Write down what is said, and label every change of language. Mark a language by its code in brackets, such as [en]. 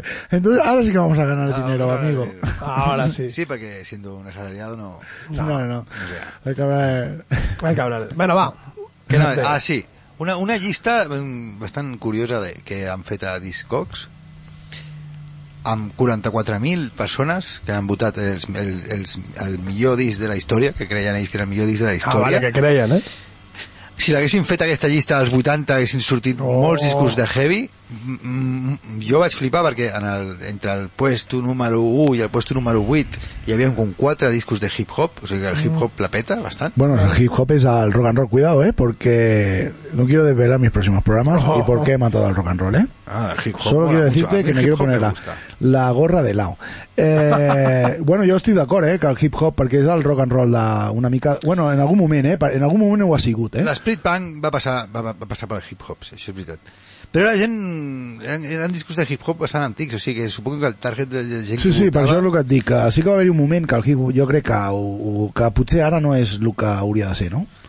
[es] Entonces, ahora sí que vamos a ganar dinero, ahora, amigo. Ahora sí. Sí, porque siendo un asalariado no... No, no. Hay que hablar. Hay que hablar. Bueno, va. ¿Qué no? Ah, sí. [ca] Una llista bastant curiosa de, que han fet a Discogs, amb 44.000 persones que han votat el millor disc de la història, que creien ells que era el millor disc de la història. Ah, vale, que creien, eh? Si l'haguessin fet aquesta llista als 80, haguessin sortit molts discos de heavy. Jo vaig flipar perquè entre el puesto número 1 i el puesto número 8 hi havia com 4 discos de hip-hop, o sigui que el hip-hop la peta bastant. [es] Bueno, [ca] el hip-hop és el rock and roll, [es] cuidado, porque no quiero desvelar mis próximos programas y por qué he matado al rock and roll, Solo bueno, quiero decirte mucho, que me quiero poner la gorra de lado. [ca] Bueno, jo estic d'acord, que el hip-hop, perquè és el rock and roll una mica... Bueno, en algun moment, en algun moment ho ha sigut, L'Split Punk va passar pel hip-hop, sí, això és veritat. Però la gent... Eren discos de hip-hop bastant antics, o sigui que suposo que el target de gent... Sí, sí, per això és el que et dic. Sí que va haver un moment que el hip-hop, jo crec que potser ara no és el que hauria de ser, no?